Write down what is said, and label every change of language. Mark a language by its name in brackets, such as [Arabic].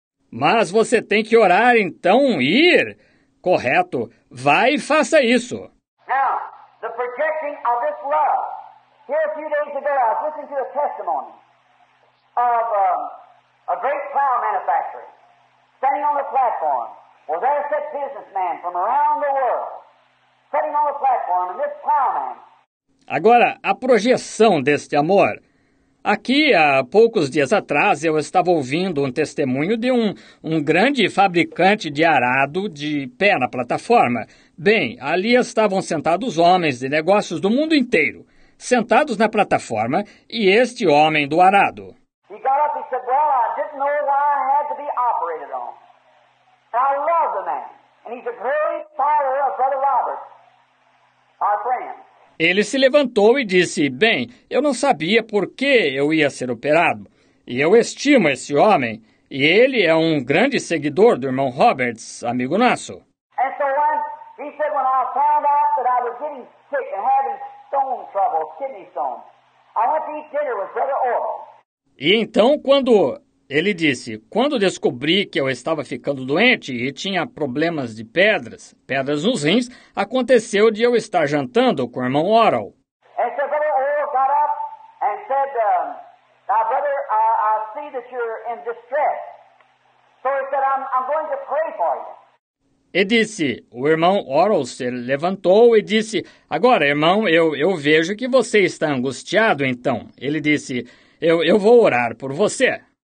[Portuguese] Mas você tem que orar, então ir. Correto. Vai e faça isso. [English] Now, the projecting of this love. Here a few days ago, I was listening to a testimony of a great plow manufacturer. Standing on the platform, well, there sat businessman from around the world, sitting on the platform, and this plowman. [Portuguese] Agora, a projeção deste amor. Aqui, há poucos dias atrás, eu estava ouvindo um testemunho de um grande fabricante de arado de pé na plataforma. Bem, ali estavam sentados homens de negócios do mundo inteiro, sentados na plataforma, e este homem do arado. [English] He got up and said, well, I didn't know why I had to be operated on. And I love the man. And he's a great follower of Brother Robert, our friend. [Portuguese] Ele se levantou e disse, bem, eu não sabia por que eu ia ser operado. E eu estimo esse homem. E ele é um grande seguidor do irmão Roberts, amigo nosso. [English] And so when he said when I found out that I was getting sick and having stone trouble, kidney stone, I went to eat dinner with Brother Oral. [Portuguese] E então quando ele disse, quando descobri que eu estava ficando doente e tinha problemas de pedras nos rins, aconteceu de eu estar jantando com o irmão Oral. [English] And so Brother Oral got up and said, now, brother, I see that you're in distress. So he said, I'm going to pray for you. [Portuguese] E disse, o irmão Orol se levantou e disse, agora, irmão, eu vejo que você está angustiado, então. Ele disse, eu vou orar por você.